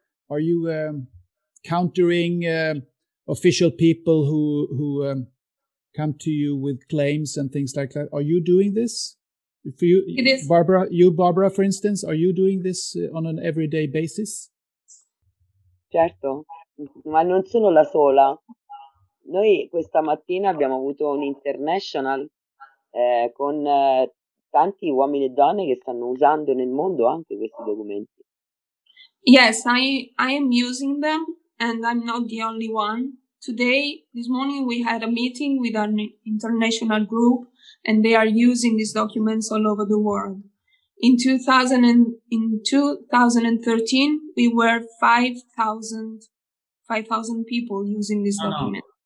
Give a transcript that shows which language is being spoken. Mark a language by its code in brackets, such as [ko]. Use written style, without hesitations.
[en] Are you countering official people who come to you with claims and things like that? Are you doing this? For you, it is. Barbara, for instance, are you doing this on an everyday basis? [it] Certo, ma non sono la sola. Noi questa mattina abbiamo avuto un international con tanti uomini e donne che stanno usando nel mondo anche questi documenti. [en] Yes, I am using them and I'm not the only one. Today, this morning, we had a meeting with an international group and they are using these documents all over the world. In 2013, we were 5,000 people using this document.